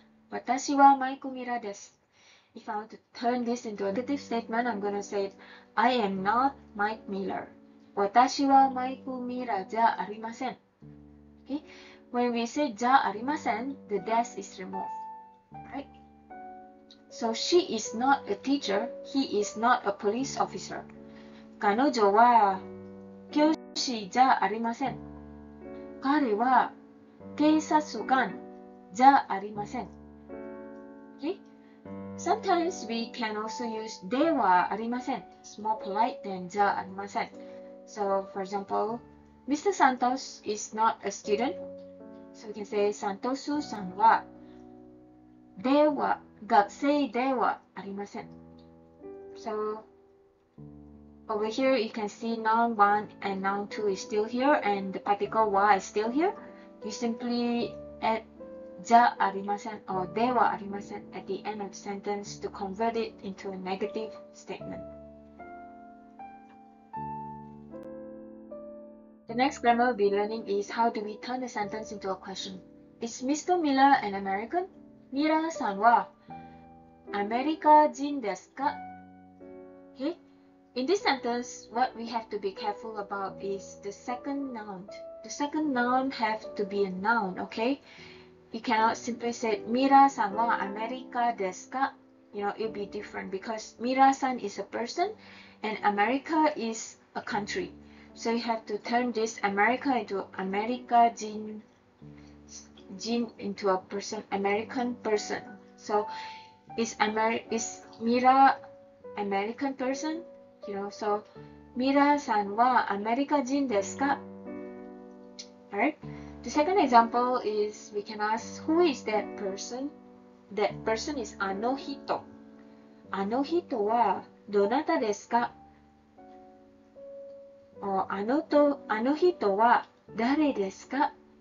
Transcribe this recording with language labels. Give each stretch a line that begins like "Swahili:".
Japanese: 私はマイク・ミラーです。
English: If I want to turn this into a negative statement, I'm going to say, I am not Mike Miller.
Japanese: 私はマイク・ミラーじゃありません。
English: Okay? When we say
Japanese: じゃありません,
English: the des is removed. Right? So she is not a teacher, he is not a police officer.
Japanese: 彼女は教師じゃありません。彼は警察官じゃありません。
English: Okay? Sometimes we can also use
Japanese: ではありません.
English: It's more polite than
Japanese: じゃありません.
English: So, for example, Mr. Santos is not a student. So, we can say Santos
Japanese: さんはでは学生ではありません.
English: So, over here you can see noun 1 and noun 2 is still here and the particle は is still here. You simply add
Japanese: じゃありません
English: or
Japanese: ではありません
English: at the end of sentence to convert it into a negative statement. The next grammar we'll be learning is how do we turn a sentence into a question. Is Mr. Miller an American?
Japanese: ミラーさんはアメリカ人ですか?
English: Okay? In this sentence, what we have to be careful about is the second noun. The second noun have to be a noun, okay? You cannot simply say
Japanese: Mira san wa America desu ka?
English: You know, it'll be different because Mira san is a person and America is a country. So you have to turn this America into America jin into a person, American person. So is Mira American person? You know, so
Japanese: Mira san wa America jin desu ka?
English: Alright? The second example is we can ask who is that person? That person is
Japanese: あの人。あの人はどなたですか? Or あの人は誰ですか?